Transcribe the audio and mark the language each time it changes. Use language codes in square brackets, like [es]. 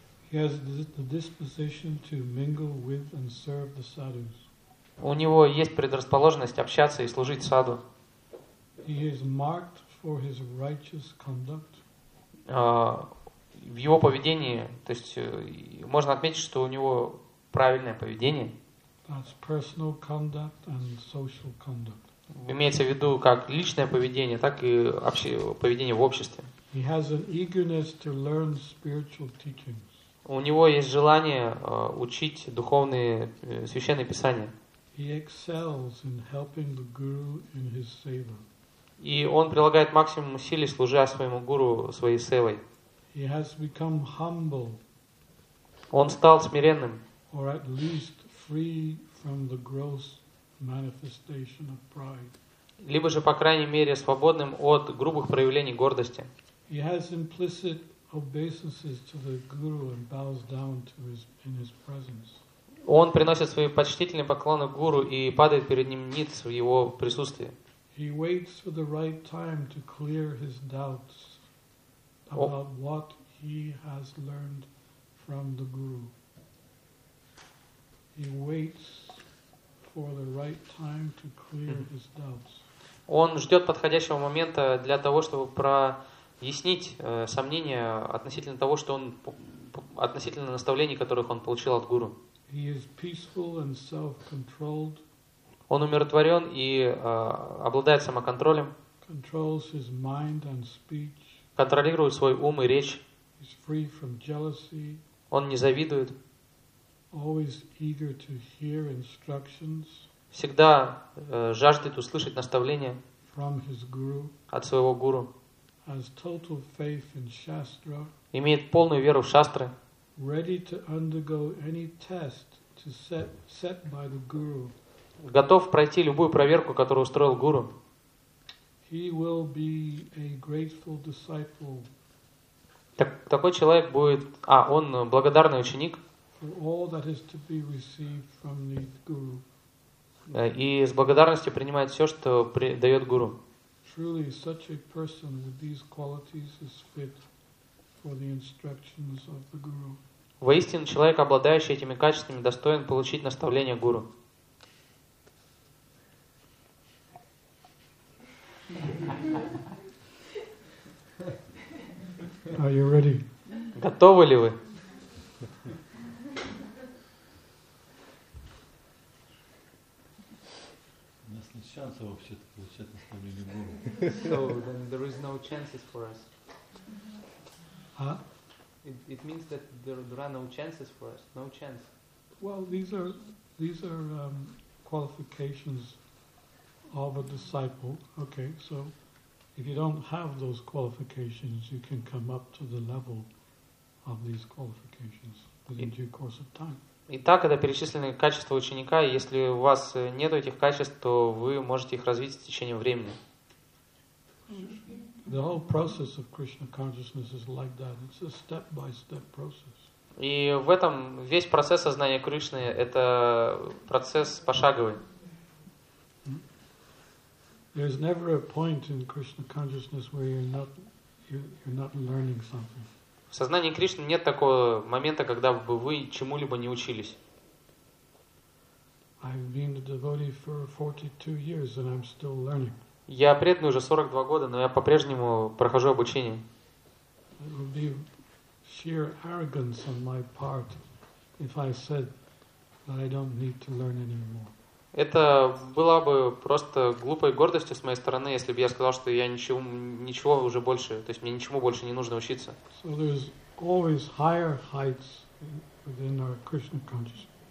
[en] He has the disposition to mingle with and serve the sadhus. [ru] У него есть предрасположенность общаться и служить саду. [en] He is marked for his righteous conduct. [ru] В его поведении, то есть можно отметить, что у него правильное поведение. [en] That's personal conduct and social conduct. [ru] Имеется в виду как личное поведение, так и поведение в обществе. [en] He has an eagerness to learn spiritual teachings. [ru] У него есть желание учить духовные священные писания. [en] He excels in helping the guru in his seva. [ru] И он прилагает максимум усилий, служа своему гуру, своей севой. [en] He has become humble. [ru] Он стал смиренным. [en] Or at least free from the gross manifestation of pride. [ru] Либо же, по крайней мере, свободным от грубых проявлений гордости. [en] He has implicit obeisances to the guru and bows down to his in his presence. [ru] Он приносит свои почтительные поклоны гуру и падает перед ним ниц в его присутствии. [en] He waits for the right time to clear his doubts about what he has learned from the Guru. He waits for the right time to clear his doubts. [ru] Он ждет подходящего момента для того, чтобы прояснить сомнения относительно того, что он относительно наставлений, которых он получил от Гуру. [en] He is peaceful and self-controlled. [ru] Он умиротворен и обладает самоконтролем. [en] Controls his mind and speech. [ru] Контролирует свой ум и речь. [en] He's free from jealousy. [ru] Он не завидует. [en] Always eager to hear instructions. [ru] Всегда жаждет услышать наставления [en] from his guru. [ru] От своего гуру. [en] Has total faith in Shastra. [ru] Имеет полную веру в шастры. [en] Ready to undergo any test to set by the guru. [ru] Готов пройти любую проверку, которую устроил гуру. [en] He will be a grateful disciple. [ru] Такой человек будет... он благодарный ученик. [en] For all that is to be received from the guru. [ru] И с благодарностью принимает все, что дает гуру. [en] Truly, such a person with these qualities is fit for the instructions of the guru. [ru] Воистину, человек, обладающий этими качествами, достоин получить наставление гуру. [en] Are you ready? [ru] Готовы ли вы? У нас нет шансов вообще получать наставление гуру. [en] So then there is no chances for us. Huh? It means that there are no chances for us. No chance. Well, these are qualifications of a disciple. Okay, so if you don't have those qualifications, you can come up to the level of these qualifications within due course of time. [ru] Итак, это перечисленные качества ученика. Если у вас нет этих качеств, то вы можете их развить с течением времени. [en] The whole process of Krishna consciousness is like that. It's a step-by-step process. [ru] И в этом весь процесс сознания Кришны – это процесс пошаговый. [en] There is never a point in Krishna consciousness where you're not learning something. [ru] В сознании Кришны нет такого момента, когда бы вы чему-либо не учились. [en] I've been a devotee for 42 years and I'm still learning. [ru] Я преданный уже 42 года, но я по-прежнему прохожу обучение. [en] It would be sheer arrogance on my part if I said that I don't need to learn anymore. [ru] Это была бы просто глупой гордостью с моей стороны, если бы я сказал, что я ничего уже больше, то есть мне ничему больше не нужно учиться. [en] So there's always higher heights within our Krishna consciousness.